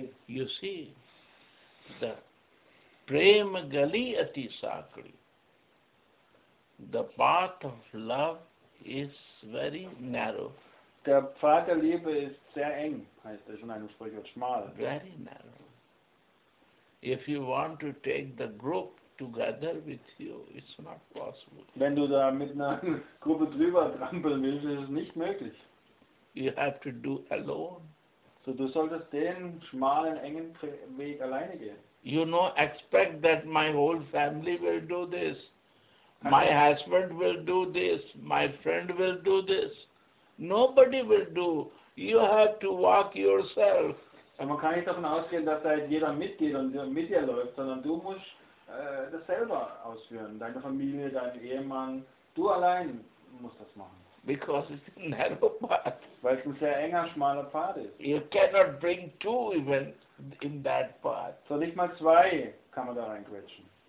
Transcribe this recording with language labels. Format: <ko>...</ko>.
<en>You see, the</en> <hi>prema gali ati sakri.</hi> <en>The path of love is very narrow.</en> <de>Der Pfad der Liebe ist sehr eng, heißt es in einem Sprichwort, schmal.</de> <en>Very narrow. If you want to take the group together with you, it's not possible.</en> <de>Wenn du da mit einer Gruppe drüber trampeln willst, ist es nicht möglich.</de> <en>You have to do alone.</en> <de>So du solltest den schmalen, engen Weg alleine gehen.</de> <en>You know, expect that my whole family will do this. My husband will do this. My friend will do this. Nobody will do. You have to walk yourself.</en> <de>Aber man kann nicht davon ausgehen, dass da jeder mitgeht und mit dir läuft, sondern du musst das selber ausführen. Deine Familie, dein Ehemann, du allein musst das machen.</de> <en>Because it's a narrow path.</en> <de>Weil es ein sehr enger, schmaler Pfad ist.</de> <en>You cannot bring two even in that path.</en> <de>So nicht mal zwei kann man da reinquetschen.</de>